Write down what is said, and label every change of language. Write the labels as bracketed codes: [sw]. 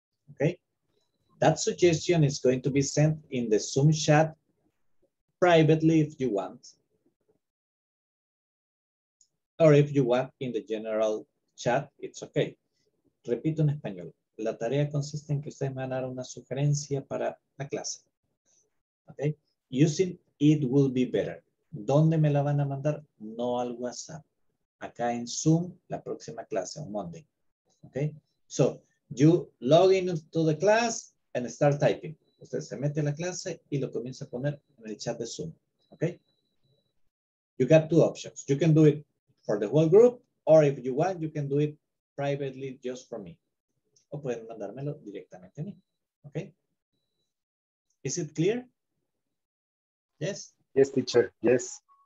[en] Okay? That suggestion is going to be sent in the Zoom chat privately if you want. Or if you want in the general chat, it's okay. [es] Repito en español. La tarea consiste en que ustedes me van a dar una sugerencia para la clase. [en] Okay? Using it will be better. [es] ¿Dónde me la van a mandar? No al WhatsApp. Acá en Zoom, la próxima clase, [en] on Monday. Okay? So, you log in to the class and start typing. [es] Usted se mete a la clase y lo comienza a poner en el chat de Zoom. [en] Okay? You got two options. You can do it for the whole group, or if you want, you can do it privately just for me. [es] O pueden mandármelo directamente a mí. [en] Okay? Is it clear? Yes? Yes, teacher. Yes.